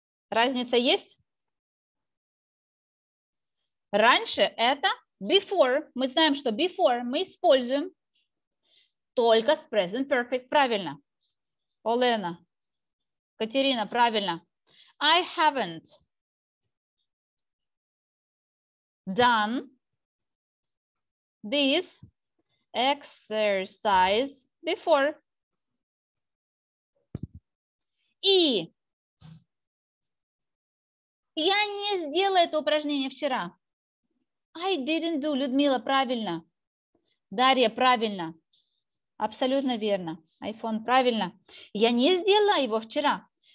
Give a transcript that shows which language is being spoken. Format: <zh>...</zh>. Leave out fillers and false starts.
<ru>Разница есть? Раньше это before. Мы знаем, что before мы используем только с present perfect. Правильно. Олена. Катерина, правильно.</ru> <en>I haven't done this exercise before.</en> <ru>И я не сделала это упражнение вчера.</ru> <en>I didn't do.</en> <ru>Людмила, правильно. Дарья, правильно. Абсолютно верно. Айфон, правильно. Я не сделала его вчера.</ru>